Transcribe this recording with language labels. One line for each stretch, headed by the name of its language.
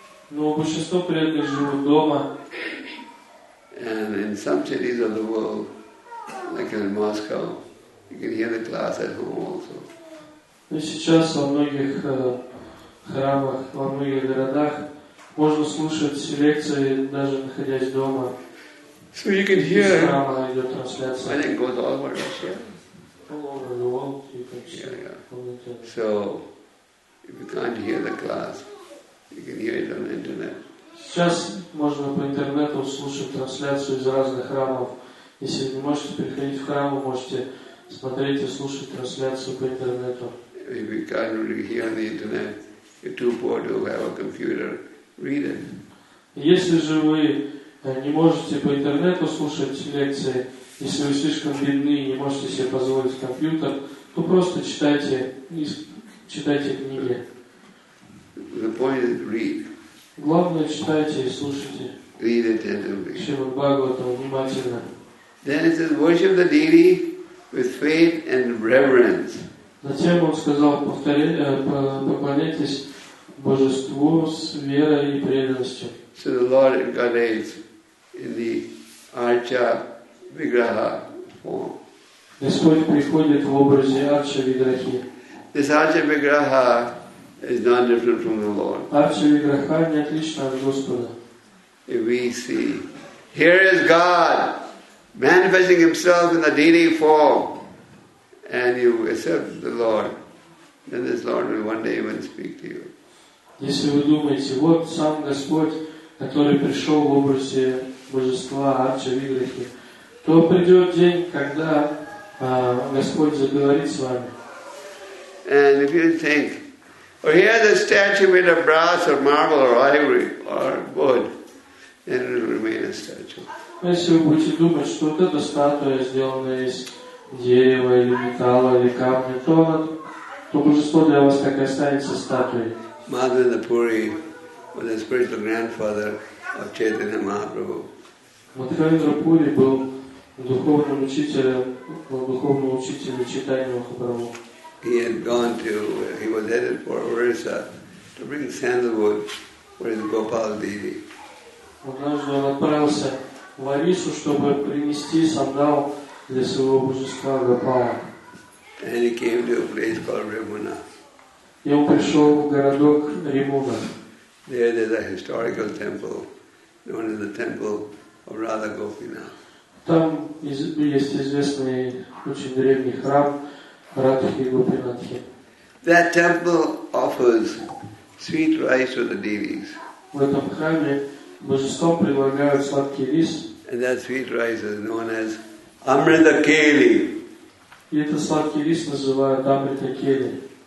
Russian: Но большинство преданных живут дома.
English: And in some cities of the world, like in Moscow, you can hear the class at home also.
Russian: Но сейчас во многих храмах, во многих городах можно слушать лекции, даже находясь дома.
English: So you can hear.
Russian: Из храма идет трансляция.
English: I think goes all over Russia. So, if you can't hear the class, you can hear it on the internet.
Russian: Сейчас можно по интернету слушать трансляцию из разных храмов. Если не можете приходить в храм, вы можете смотреть и слушать трансляцию по интернету.
English: If you can't really hear on the internet, you're too poor to have a computer. Read it.
Russian: Если же вы не можете по интернету слушать лекции, если вы слишком бедны и не можете себе позволить компьютер, то просто читайте книги.
English: The point is read.
Russian: Главное, читайте и слушайте.
English: Read attentively.
Russian: Шримад Бхагаватам внимательно.
English: Then it says, worship the deity with faith and reverence.
Russian: Затем он сказал, поклоняйтесь Божеству с верой и преданностью.
English: So the Lord incarnates in the Archa Vigraha form.
Russian: Господь приходит в образе Арча Виграхи.
English: This Арча Виграха is not different from the Lord.
Russian: Арча Виграха не отлична от Господа.
English: If we see, here is God manifesting Himself in the deity form, and you accept the Lord, then this Lord will one day even speak to you.
Russian: Если вы думаете, вот сам Господь, который пришел в образе Божества Арча Виграхи, то придет день, когда Господь заговорит с вами.
English: And if you think, or oh, here the statue made of brass or marble or ivory or wood, then it will remain a statue.
Russian: Если вы будете думать, что вот эта статуя сделана из дерева или металла или камня, то, то божество для вас так и останется статуей.
English: Мадхванапури was the spiritual grandfather of Chaitanya Mahaprabhu.
Russian: Мадхавендра Пури был духовным учителем, был духовным учителем Чайтаньи Махапрабху.
English: He had gone to, he was headed for Orissa to bring sandalwood for his Gopal Devi.
Russian: Однажды он отправился в Орису, чтобы принести сандал для своего божества Гопала.
English: And he came to a place called Rimuna.
Russian: И он пришел в городок Римуна.
English: There is a historical temple known as the temple of Radha Gopina.
Russian: Там есть известный очень древний храм Радхи Гопинатхи.
English: That temple offers sweet rice to the devis.
Russian: В этом храме божествам предлагают сладкий рис.
English: And that sweet rice is known as Amrita Keli.
Russian: И этот сладкий рис называют Амрита Кели.